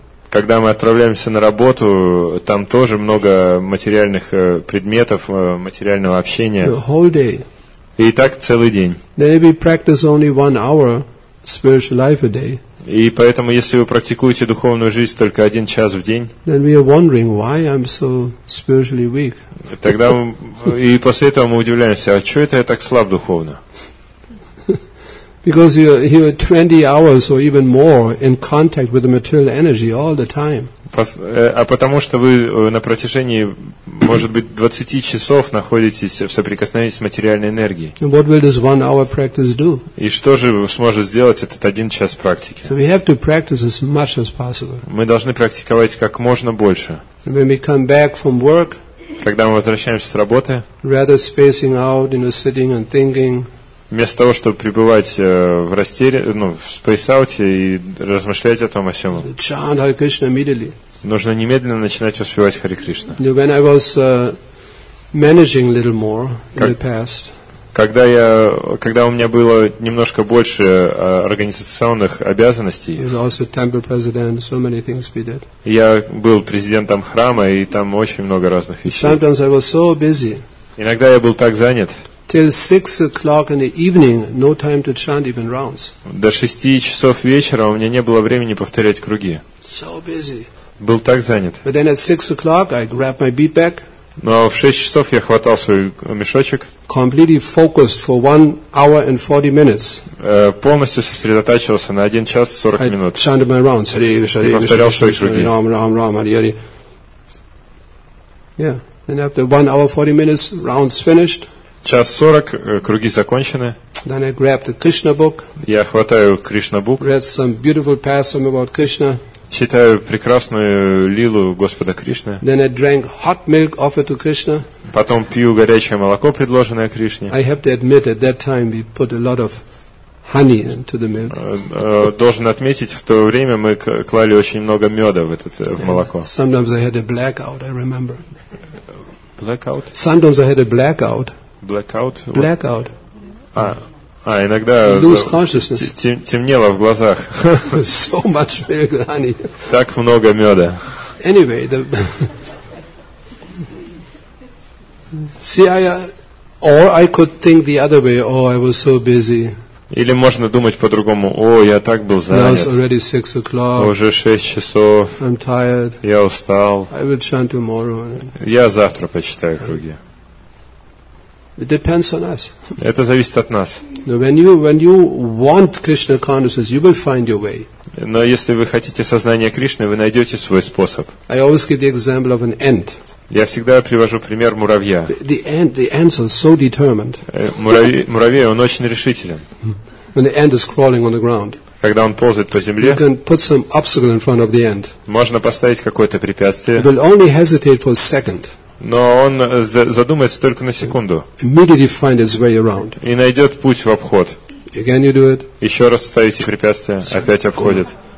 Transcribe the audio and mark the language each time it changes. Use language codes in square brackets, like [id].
[ru] Когда мы отправляемся на работу, там тоже много материальных предметов, материального общения. [en] The whole day. [ru] И так целый день. [en] Then we practice only 1 hour spiritual life a day. [ru] И поэтому, если вы практикуете духовную жизнь только 1 час в день, [en] then we are wondering why I'm so spiritually weak. [ru] Тогда и после этого мы удивляемся, а что это я так слаб духовно? [en] Because you're 20 hours or even more in contact with the material energy all the time. [ru] А потому что вы на протяжении, может быть, 20 часов находитесь в соприкосновении с материальной энергией. [en] What will this 1 hour practice do? [ru] И что же сможет сделать этот 1 час практики? [en] So we have to practice as much as possible. [ru] Мы должны практиковать как можно больше. [en] When we come back from work, [ru] когда мы возвращаемся с работы, [en] rather spacing out, you know, sitting and thinking, [ru] вместо того, чтобы пребывать в растерянии, в спейс-ауте и размышлять о том, о сём, нужно немедленно начинать успевать Харе Кришна. [en] When I was managing a little more in the past, [ru] когда у меня было немножко больше организационных обязанностей, [en] I was also temple president, so many things we did. [ru] Я был президентом храма, и там очень много разных вещей. [en] Sometimes I was so busy. [ru] Иногда я был так занят, [en] till 6 o'clock in the evening, no time to chant even rounds. [ru] До 6 часов вечера у меня не было времени повторять круги. [en] So busy. [ru] Был так занят. [en] But then at 6 o'clock I grabbed my beat back. [ru] Но в 6 часов я хватал свой мешочек. [en] Completely focused for 1 hour and 40 minutes. [ru] Полностью сосредотачивался на 1 час 40 минут. [en] I chanted my rounds. [ru] Повторял свои круги. [en] Ram, ram, ram, hari, hari. Yeah. And after 1 hour 40 minutes, rounds finished. [ru] 1:40, круги закончены. [en] Then I grabbed the Krishna book. [ru] Я хватаю Krishna book. [en] Read some beautiful passage about Krishna. [ru] Читаю прекрасную лилу Господа Кришны. [en] Then I drank hot milk offered to Krishna. [ru] Потом пью горячее молоко, предложенное Кришне. [en] I have to admit, at that time we put a lot of honey into the milk. [ru] Должен отметить, в то время мы клали очень много меда в этот в молоко. [en] Sometimes I had a blackout, I remember. Blackout? Sometimes I had a blackout. Blackout. Blackout. [ru] А иногда темнело в глазах. [en] So much milk, honey. [ru] Так много меда. [en] Anyway, see, I could think the other way. Oh, I was so busy. [ru] Или можно думать по-другому. О, я так был занят. [en] Now it's already 6 o'clock. [ru] Уже 6 часов. [en] I'm tired. [ru] Я устал. [en] I will chant tomorrow. [ru] Я завтра почитаю круги. [en] It depends on us. [ru] Это зависит от нас. [en] When you want Krishna consciousness, you will find your way. [ru] Но если вы хотите сознание Кришны, вы найдете свой способ. [en] I always give the example of an ant. [ru] Я всегда привожу пример муравья. [en] The ants are so determined. [ru] Муравей, он очень решителен. [en] When the ant is crawling on the ground. [ru] Когда он ползает по земле, [en] you can put some obstacle in front of the ant. [ru] Можно поставить какое-то препятствие. [en] It will only hesitate for a second. [ru] Но он задумается только на секунду. [en] Immediately find its way around. [ru] И найдет путь в обход. [en] Again you do it. [ru] Еще раз ставите препятствие, опять обходит.